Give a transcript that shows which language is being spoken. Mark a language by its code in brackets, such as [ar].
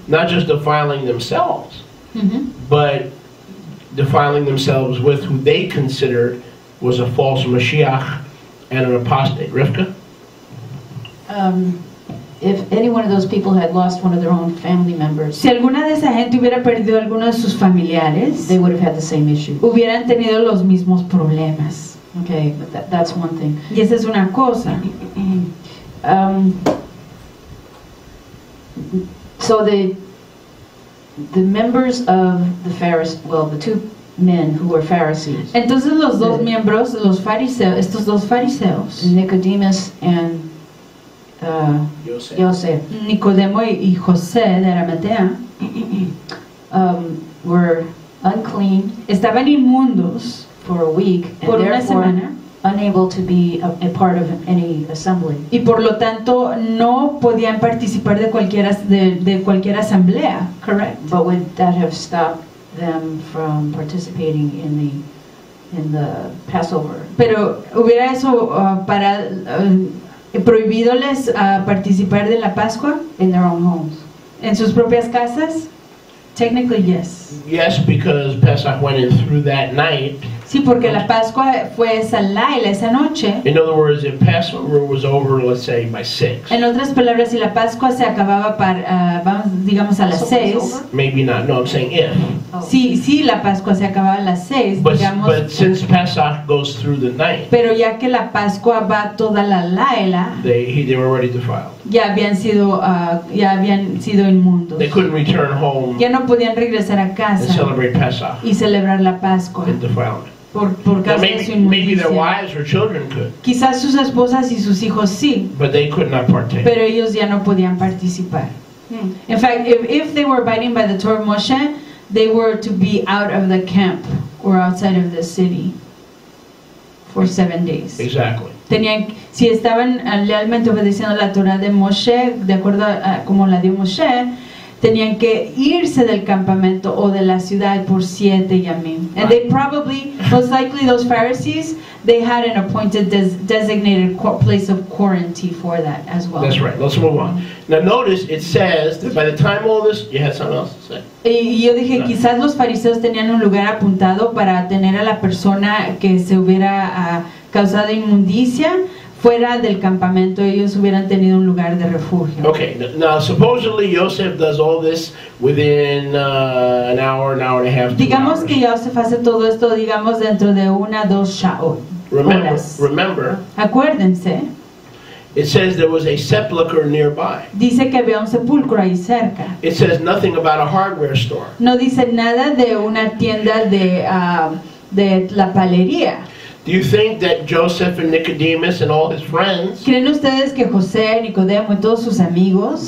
[en] Not just defiling themselves, mm-hmm. but defiling themselves with who they considered was a false Mashiach and an apostate. Rivka? If any one of those people had lost one of their own family members, [es] si alguna de esa gente hubiera perdido alguno de sus familiares, [en] they would have had the same issue. [es] Hubieran tenido los mismos problemas. [en] Okay, but that's one thing. [es] Y esa es una cosa. [en] So the members of the Pharisees, well, the two men who were Pharisees. [es] Entonces los dos miembros, los fariseos, estos dos fariseos, [en] Nicodemus and Yosef. [es] Nicodemo y José de Arimatea [en] were unclean. [es] Estaban inmundos [en] for a week and [es] por [en] therefore [es] una semana. [en] Unable to be a part of any assembly. [es] Y por lo tanto no podían participar de cualquier asamblea. [en] Correct. But would that have stopped them from participating in the Passover? [es] Pero hubiera eso para prohibidoles participar de la Pascua [en] in their own homes. [es] En sus propias casas? [en] Technically, yes. Yes, because Pesach went in through that night. [es] Sí, porque la Pascua fue salada esa noche. [en] In other words, if Passover was over, let's say by 6. [es] En otras palabras, si la Pascua se acababa para digamos a las 6. [en] Maybe not. No, I'm saying if. [es] Sí, sí, la Pascua se acababa a las 6, digamos. [en] But since Pesach goes through the night. [es] Pero ya que la Pascua va toda la Laila. [en] They were already defiled. [es] Ya habían sido inmundos. [en] They couldn't return home. [es] Ya no podían regresar a casa. [en] And celebrate Pesach. [es] Y celebrar la Pascua. [en] In defilement. [es] Por causa de su inmundicia. [en] Maybe their wives or children could. [es] Quizás sus esposas y sus hijos sí. [en] But they could not partake. [es] Pero ellos ya no podían participar. [en] In fact, if they were abiding by the Torah Moshe, they were to be out of the camp or outside of the city for 7 days. Exactly. [es] Tenían, si estaban lealmente obedeciendo la Torah de Moshe, de acuerdo a como la dio Moshe, tenían que irse del campamento o de la ciudad por 7 yamim. [en] Right. And they probably, most likely those Pharisees, they had an appointed designated place of quarantine for that as well. That's right. Let's move on. Now notice it says that by the time all this, you had something else to say. [es] Y yo dije, no. Quizás los fariseos tenían un lugar apuntado para tener a la persona que se hubiera causado inmundicia fuera del campamento, ellos hubieran tenido un lugar de refugio. [en] Okay, now supposedly Yosef does all this within an hour and a half. [es] Digamos que Yosef hace todo esto, digamos, dentro de una, dos shaot. [en] Remember. [es] Acuérdense. [en] It says there was a sepulcher nearby. [es] Dice que había un sepulcro ahí cerca. [en] It says nothing about a hardware store. [es] No dice nada de una tienda de la palería. [en] Do you think that Joseph and Nicodemus and all his friends? [es] ¿Creen ustedes que José, Nicodemo y todos sus amigos